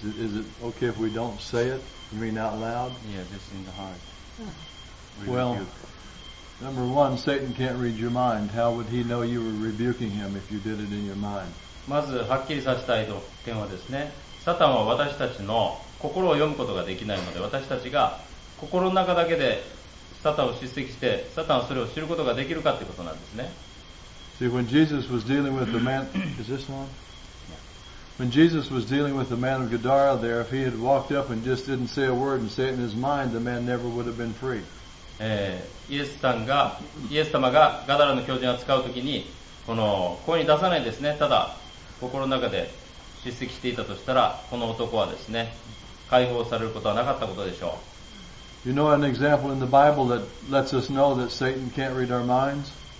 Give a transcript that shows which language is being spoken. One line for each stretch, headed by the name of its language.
English: Is it okay if we don't say it? I mean out loud? Yeah, just in the heart. Well, number one, Satan can't read your mind. How would he know you were rebuking him if you did it in your mind?
Japanese: まずはっきりさせたい点はですね、サタンは私たちの心を読むことができないので、私たちが心の中だけでサタンを叱責して、サタンはそれを知ることができるかということなんですね。
English: See, when Jesus was dealing with the man... Is this one? When Jesus was dealing with the man of Gadara there, if he had walked up and just didn't say a word and say it in his mind, the man never would have been free.
Japanese: イエス様がガダラの狂人を扱うときに、この声に出さないですね、ただ心の中で叱責していたとしたら、この男はですね、解放されることはなかったことでしょう。
English: You know an example in the Bible that lets us know that Satan can't read our minds?